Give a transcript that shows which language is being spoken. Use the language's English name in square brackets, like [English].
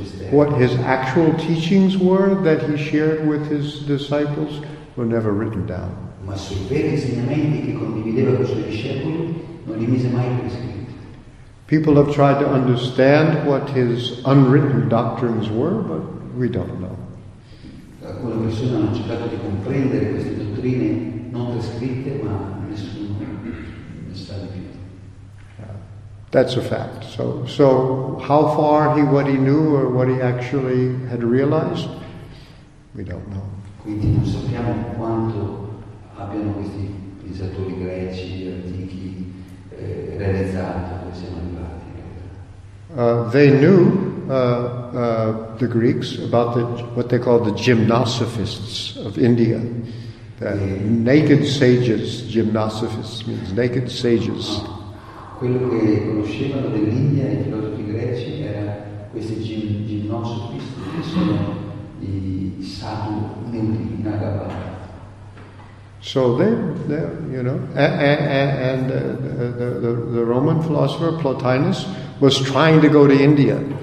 [English] What his actual teachings were that he shared with his disciples were never written down. [Italian] Ma sui veri insegnamenti che condivideva con i suoi discepoli non li mise mai per iscritto. [English] People have tried to understand what his unwritten doctrines were, but we don't know. [Italian] Alcune persone hanno cercato di comprendere queste dottrine non descritte, ma nessuno ne sa di più. [English] That's a fact. So how far what he knew or what he actually had realized, we don't know. [Italian] Quindi non sappiamo quanto abbiano questi pensatori greci antichi realizzato che siamo arrivati. [English] They knew the Greeks about what they called the gymnosophists of India. Naked sages, gymnosophists means naked sages. [Italian] Quello che conoscevano dell'India i filosofi greci era questi gymnosophists che sono i sadhu nudi in Agavara. [English] So they, you know, and the Roman philosopher Plotinus was trying to go to India.